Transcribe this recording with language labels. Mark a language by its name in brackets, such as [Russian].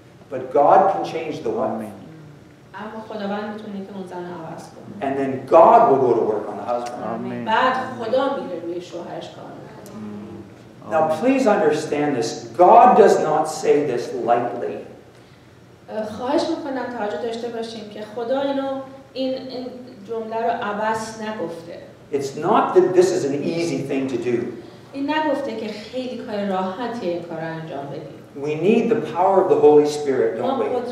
[English] But God can change the one man. [Persian] اما خداوند میتونه که اون زن رو عوض کنه. [English] And then God will go to work on the husband. Amen. [Persian] بعد خدا میره روی شوهرش کار میکنه. [English] Now please understand this. God does not say this lightly. [Persian] خواهش میکنم توجه داشته باشیم که خدا اینو این جمله رو عبث نگفته. [English] It's not that this is an easy thing to do. [Persian] این نگفته که خیلی کار راحتیه این کار رو انجام بدیم. [English] We need the power of the Holy Spirit, don't we?